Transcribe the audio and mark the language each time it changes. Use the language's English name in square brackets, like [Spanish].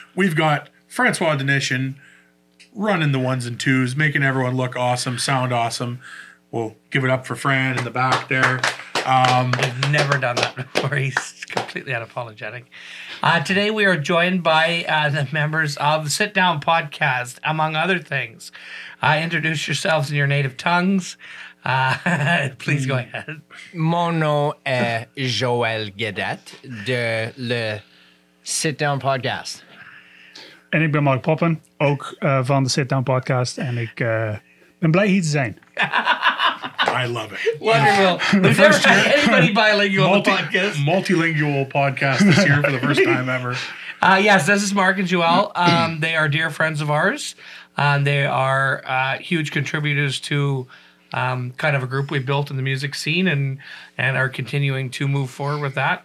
[English] We've got Francois Denishin running the ones and twos, making everyone look awesome, sound awesome. We'll give it up for Fran in the back there. I've never done that before. He's completely unapologetic. Today we are joined by the members of the Sit Down Podcast, among other things. Introduce yourselves in your native tongues. Please go ahead. [French] Mon nom est Joël Gaudet de le Sit Down Podcast. [Dutch] En ik ben Mark Poppen, ook van de Sit Down Podcast. En ik ben blij hier te zijn. [English] I love it. Wonderful. The first time anybody bilingual on the podcast. Multilingual podcast this year for the first time ever. Yes, this is Mark and Joelle. They are dear friends of ours. They are huge contributors to kind of a group we built in the music scene and are continuing to move forward with that.